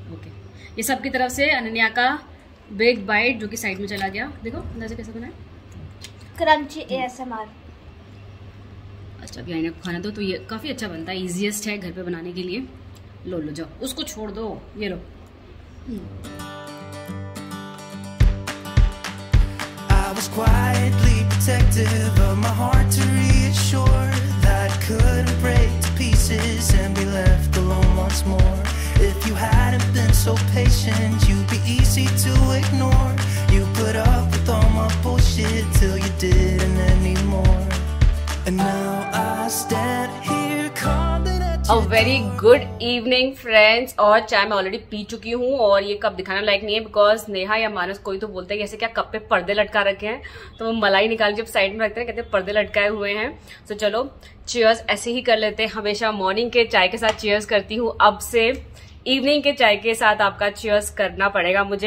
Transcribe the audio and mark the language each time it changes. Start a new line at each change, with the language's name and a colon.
Hindi: Okay, ये सब की तरफ से अनन्या का बिग बाइट जो कि साइड में चला गया। देखो अंदाजे कैसा बना है,
English: Crunchy ASMR।
Hindi: अच्छा अभी आईने को खाना दो, तो ये काफी अच्छा बनता है, इजीएस्ट है घर पे बनाने के लिए। लो लो जाओ, उसको छोड़ दो, ये लो।
English: Of my heart to reassure that couldn't break to pieces and be left alone once more. If you hadn't been so patient, you'd be easy to ignore. You put up with all my bullshit till you didn't anymore. And now I stand here calling at your door. A very good evening, friends.
Hindi: और चाय मैं already P चुकी हूँ, और ये cup दिखाना लायक नहीं है, बिकॉज नेहा या मानस कोई तो बोलते हैं ऐसे क्या कप पे पर्दे लटका रखे हैं, तो वो मलाई निकाल जब साइड में रखते हैं कहते हैं पर्दे लटकाए हुए हैं। सो चलो चीयर्स ऐसे ही कर लेते हैं, हमेशा मॉर्निंग के चाय के साथ चीयर्स करती हूँ, अब से इवनिंग के चाय के साथ आपका चीयर्स करना पड़ेगा मुझे।